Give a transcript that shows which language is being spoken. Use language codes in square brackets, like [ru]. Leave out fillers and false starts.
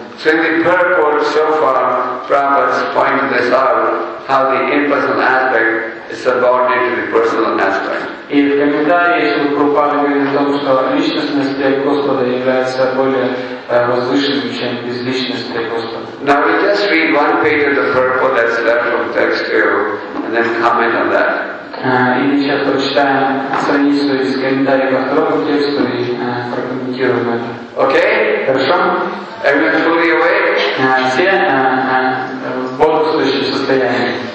[en] So in the purport so far, Prabhupada's pointed this out, how the impersonal aspect is subordinate to the personal aspect. [ru] И в комментарии Шрилы Прабхупады говорит о том, что личностность для Господа является более возвышенной, чем безличность для Господа. [en] Now we just read one page of the purport that's left from text 2, and then comment on that. [ru] И сейчас прочитаем страницу из комментария ко второму тексту и прокомментируем это. [en] Okay? [ru] Хорошо? [en] Everyone fully awake? [ru] Все в бодрствующем состоянии.